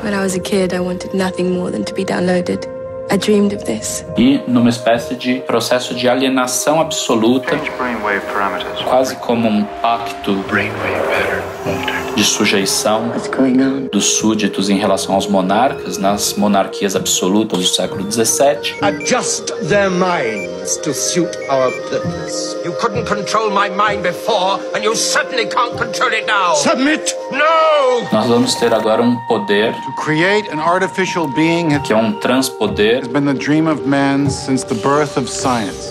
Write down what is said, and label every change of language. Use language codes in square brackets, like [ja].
[en] When I was a kid, I wanted nothing more than to be downloaded. I dreamed of this. [pt] E numa espécie de processo de alienação absoluta, quase como um pacto de sujeição dos súditos em relação aos monarcas, nas monarquias absolutas do século XVII. [en] Adjust their minds to suit our purpose. You couldn't control my mind before, and you certainly can't control it now. Submit! No! [pt] Nós vamos ter agora um poder, [en] to create an artificial being, [pt] que é um transpoder. [en] Has been the dream of man since the birth of science.